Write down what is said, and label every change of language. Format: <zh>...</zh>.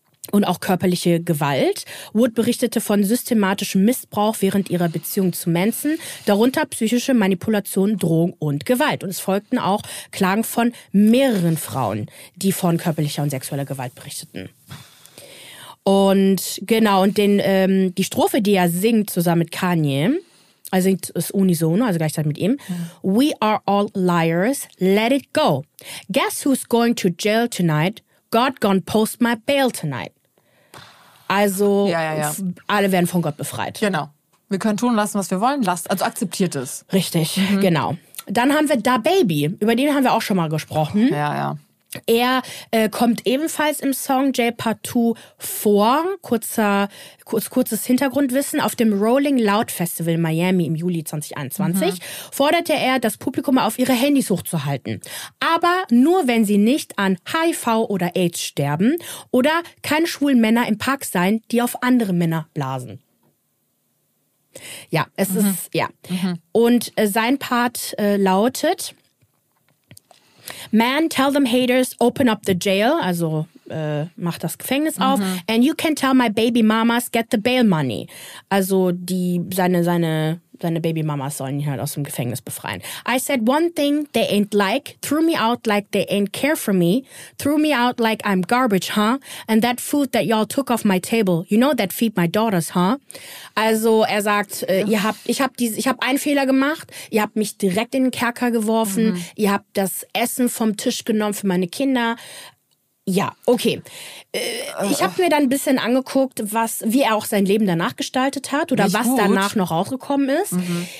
<de>Und auch körperliche Gewalt. Wood berichtete von systematischem Missbrauch während ihrer Beziehung zu Manson, darunter psychische Manipulation, Drohung und Gewalt. Und es folgten auch Klagen von mehreren Frauen, die von körperlicher und sexueller Gewalt berichteten. Und genau, und den, die Strophe, die er singt zusammen mit Kanye, also singt es unisono, also gleichzeitig mit ihm. Mhm.</de> <en>We are all liars, let it go. Guess who's going to jail tonight? God gone post my bail tonight.</en> <de>Also, alle werden von Gott befreit. Genau. Wir können tun lassen, was wir wollen. Also akzeptiert es. Richtig, genau. Dann haben wir DaBaby. Über den haben wir auch schon mal gesprochen. Ja, ja. Er kommt ebenfalls im Song J Part 2 vor. Kurzes Hintergrundwissen. Auf dem Rolling Loud Festival in Miami im Juli 2021 forderte er, das Publikum auf ihre Handys hochzuhalten. Aber nur, wenn sie nicht an HIV oder AIDS sterben oder keine schwulen Männer im Park seien, die auf andere Männer blasen. Ja, es ist, ja. Mhm. Und sein Part lautet:</de> <en>Man, tell them haters, open up the jail,</en> <de>also mach das Gefängnis auf,</de> <en>and you can tell my baby mamas, get the bail money.</en> <de>Also die, seine baby mamas sollen ihn halt aus dem Gefängnis befreien.</de> <en>I said one thing they ain't like, threw me out like they ain't care for me, threw me out like I'm garbage, huh? And that food that y'all took off my table, you know that feed my daughters, huh?</en> <de>Also er sagt, ich hab einen Fehler gemacht, ihr habt mich direkt in den Kerker geworfen, ihr habt das Essen vom Tisch genommen für meine Kinder. Ja, okay. Ich habe mir dann ein bisschen angeguckt, wie er auch sein Leben danach gestaltet hat oder nicht was gut danach noch rausgekommen ist. Mhm.</de>